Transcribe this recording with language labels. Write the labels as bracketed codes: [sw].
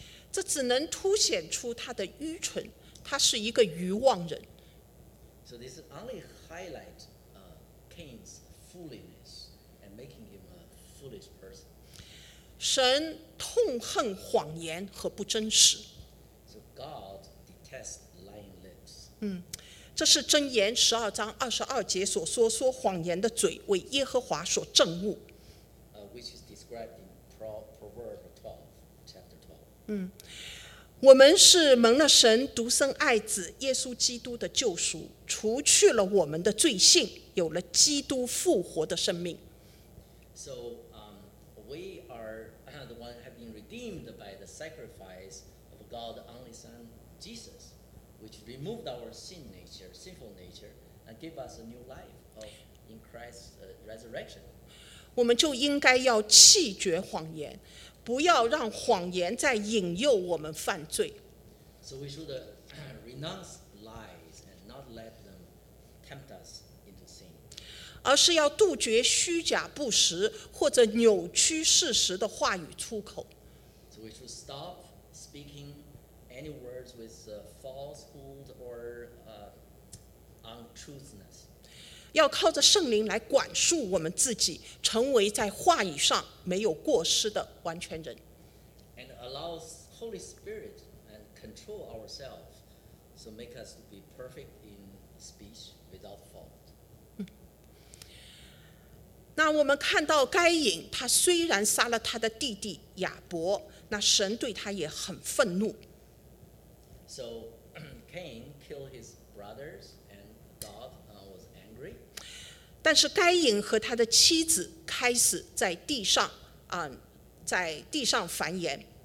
[zh] 这只能凸显出他的愚蠢，他是一个愚妄人。 [en] So this only highlights Cain's foolishness and making him a foolish person. [zh] 神痛恨谎言和不真实。 [en] God detests lying lips. [zh] 这是箴言十二章二十二节所说，说谎言的嘴为耶和华所憎恶。 [en] Which is described in Proverbs 12, chapter 12. [zh] 我们是蒙了神独生爱子耶稣基督的救赎，除去了我们的罪性，有了基督复活的生命。 [en] So, we are the one have been redeemed by the sacrifice. God's only Son, Jesus, which removed our sin nature, sinful nature, and gave us a new life of in Christ's resurrection. [zh] 我们就应该要弃绝谎言，不要让谎言再引诱我们犯罪。 [en] So we should renounce lies and not let them tempt us into sin. [zh] 而是要杜绝虚假不实或者扭曲事实的话语出口。 [en] So we should stop speaking any words with falsehood or untruthness. [zh] 要靠着圣灵来管束我们自己，成为在话语上没有过失的完全人。 [en] And allow Holy Spirit and control ourselves, so make us to be perfect in speech without fault. [zh] 那我们看到该隐，他虽然杀了他的弟弟亚伯，那神对他也很愤怒。 [en] So Cain killed his brothers, and God was angry. [zh] 但是该隐和他的妻子开始在地上，在地上繁衍。